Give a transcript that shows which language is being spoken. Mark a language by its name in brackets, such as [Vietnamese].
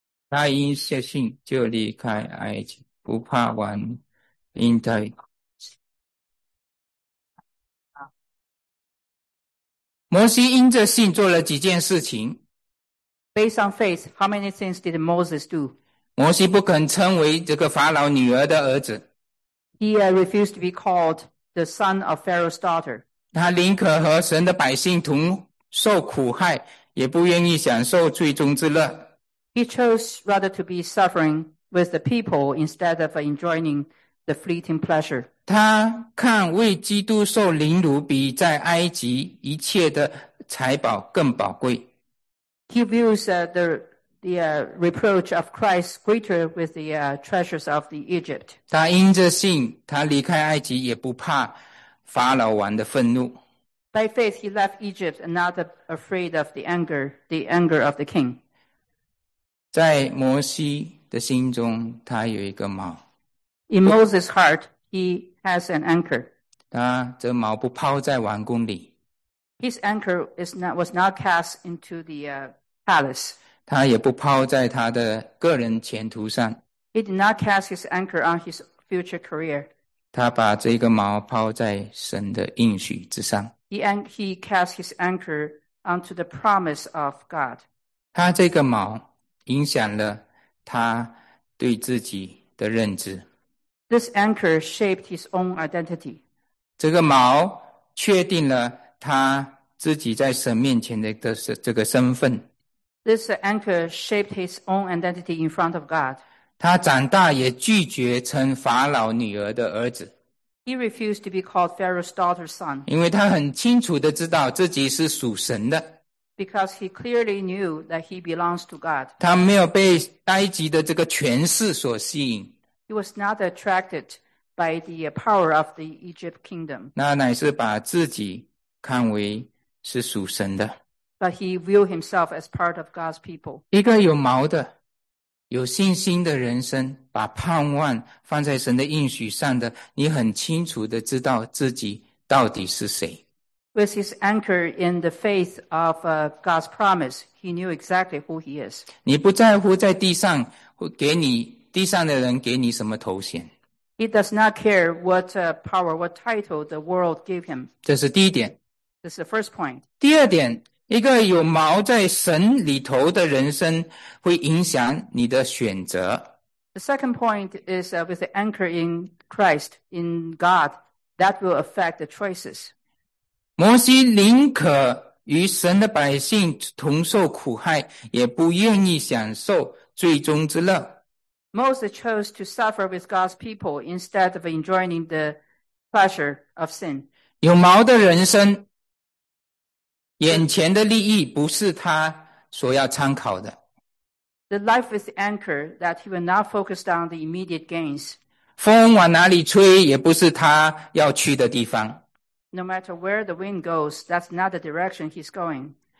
[Chinese] 他因信心就离开埃及，不怕亡，因他摩西因着信做了几件事情。 [English] Based on faith, how many things did Moses do? [Chinese] 摩西不肯称为这个法老女儿的儿子。 [English] He refused to be called the son of Pharaoh's daughter. [Chinese] 他宁可和神的百姓同受苦害，也不愿意享受最终之乐。 [English] He chose rather to be suffering with the people instead of enjoying the fleeting pleasure. [Chinese] 他看为基督受凌辱比在埃及一切的财宝更宝贵。 [English] He views the reproach of Christ greater with the treasures of the Egypt. [Chinese] 他因着信，他离开埃及也不怕法老王的愤怒。 [English] By faith, he left Egypt and not afraid of the anger of the king. [Chinese] 在摩西的心中，他有一个锚。 [English] In Moses' heart, he has an anchor. [Chinese] 他这锚不抛在王宫里。 [English] His anchor was not cast into the palace. [Chinese] 他也不抛在他的个人前途上。 [English] He did not cast his anchor on his future career. [Chinese] 他把这个锚抛在神的应许之上。 [English] He cast his anchor onto the promise of God. [Chinese] 他这个锚影响了他对自己的认知。 [English] This anchor shaped his own identity. [Chinese] 这个锚确定了他自己在神面前的这个身份。 [English] This anchor shaped his own identity in front of God. [Chinese] 他长大也拒绝称法老女儿的儿子。 [English] He refused to be called Pharaoh's daughter's son. [Chinese] 因为他很清楚地知道自己是属神的。 [English] Because he clearly knew that he belongs to God. [Chinese] 他没有被埃及的这个权势所吸引。 [English] He was not attracted by the power of the Egypt kingdom. [Chinese] 那乃是把自己看为是属神的。 [English] But he viewed himself as part of God's people. [Chinese] 一个有锚的、有信心的人生，把盼望放在神的应许上的，你很清楚地知道自己到底是谁。 [English] With his anchor in the faith of God's promise, he knew exactly who he is. [Chinese] 你不在乎在地上给你地上的人给你什么头衔。 [English] He does not care what power, what title the world gave him. [Chinese] 这是第一点。 [English] This is the first point. [Chinese] 第二点。一个有锚在神里头的人生会影响你的选择。 [English] The second point is with the anchor in Christ, in God, that will affect the choices. [Chinese] 摩西宁可与神的百姓同受苦害，也不愿意享受最终之乐。 [English] Moses chose to suffer with God's people instead of enjoying the pleasure of sin. [Chinese] 有锚的人生眼前的利益不是他所要参考的。 [English] The life is the anchor that he will not focus on the immediate gains. [Chinese] 风往哪里吹也不是他要去的地方。 [English] No matter where the wind goes, that's not the direction he's going.